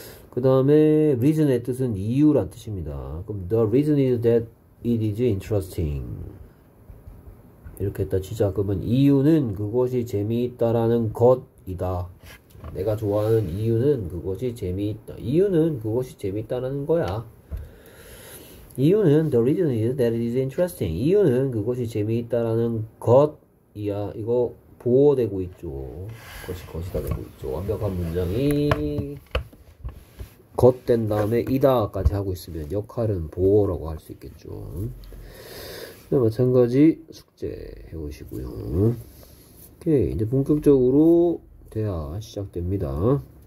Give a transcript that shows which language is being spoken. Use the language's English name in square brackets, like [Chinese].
[Korean] 그 다음에 reason의 뜻은 이유란 뜻입니다. 그럼 [English] the reason is that it is interesting [Korean] 이렇게 했다 치자. 그러면 이유는 그것이 재미있다라는 것이다. 내가 좋아하는 이유는 그것이 재미있다. 이유는 그것이 재미있다는 거야. 이유는 [English] the reason is that it is interesting. [Korean] 이유는 그것이 재미있다라는 것이야. 이거 보호되고 있죠. 것이다 되고 있죠. 완벽한 문장이 것된 다음에 이다까지 하고 있으면 역할은 보호라고 할수 있겠죠. 마찬가지 숙제 해오시고요. 오케이, 이제 본격적으로 대화 시작됩니다.